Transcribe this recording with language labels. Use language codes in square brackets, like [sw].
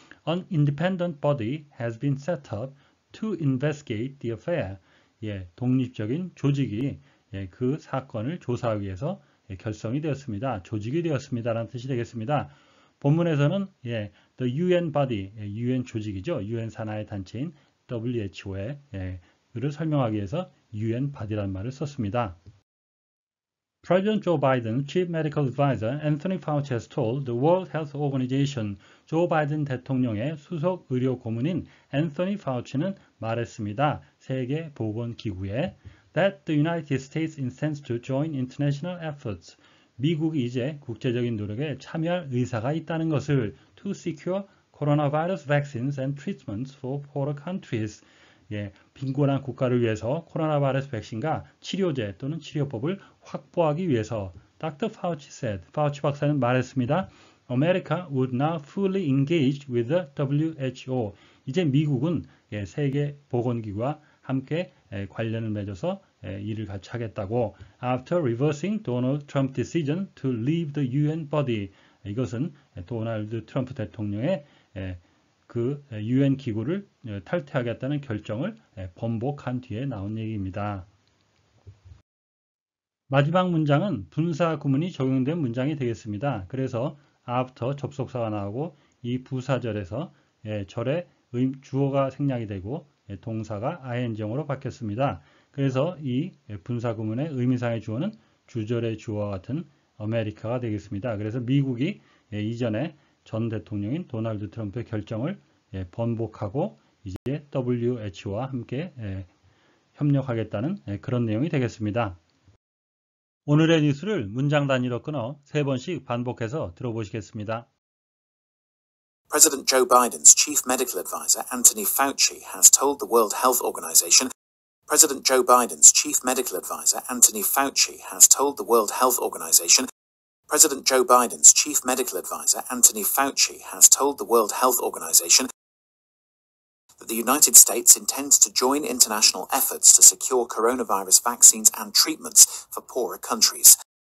[en] An independent body has been set up to investigate the affair. [ko] 예, 독립적인 조직이, 예, 그 사건을 조사하기 위해서, 예, 결성이 되었습니다. 조직이 되었습니다라는 뜻이 되겠습니다. 본문에서는, 예, [en] the UN body, [ko] 예, UN 조직이죠. UN 산하의 단체인 WHO의, 예, 를 설명하기 위해서 UN body란 말을 썼습니다. [en] President Joe Biden, Chief Medical Advisor Anthony Fauci has told the World Health Organization, [ko] 조 바이든 대통령의 수석 의료 고문인 Anthony Fauci는 말했습니다. 세계보건기구에 [en] that the United States intends to join international efforts. [ko] 미국이 이제 국제적인 노력에 참여할 의사가 있다는 것을 [en] to secure coronavirus vaccines and treatments for poorer countries. [ko] 예, 빈곤한 국가를 위해서 코로나 바이러스 백신과 치료제 또는 치료법을 확보하기 위해서 Dr. [en] Fauci said, [ko] Fauci 박사는 말했습니다. [en] America would now fully engage with the WHO. [ko] 이제 미국은, 예, 세계보건기구와 함께, 예, 관련을 맺어서, 예, 일을 같이 하겠다고. [en] After reversing Donald Trump's decision to leave the UN body. [ko] 이것은, 예, 도널드 트럼프 대통령의, 예, 그 UN 기구를 탈퇴하겠다는 결정을 번복한 뒤에 나온 얘기입니다. 마지막 문장은 분사 구문이 적용된 문장이 되겠습니다. 그래서 after 접속사가 나오고 이 부사절에서 절에 주어가 생략이 되고 동사가 ing형으로 바뀌었습니다. 그래서 이 분사 구문의 의미상의 주어는 주절의 주어와 같은 America가 되겠습니다. 그래서 미국이 이전에 전 대통령인 도널드 트럼프의 결정을 번복하고 이제 WHO와 함께 협력하겠다는 그런 내용이 되겠습니다. 오늘의 뉴스를 문장 단위로 끊어 세 번씩 반복해서 들어보시겠습니다. [en] President Joe Biden's chief medical advisor Anthony Fauci has told the World Health Organization President Joe Biden's chief medical advisor Anthony Fauci has told the World Health Organization President Joe Biden's chief medical advisor, Anthony Fauci, has told the World Health Organization that the United States intends to join international efforts to secure coronavirus vaccines and treatments for poorer countries.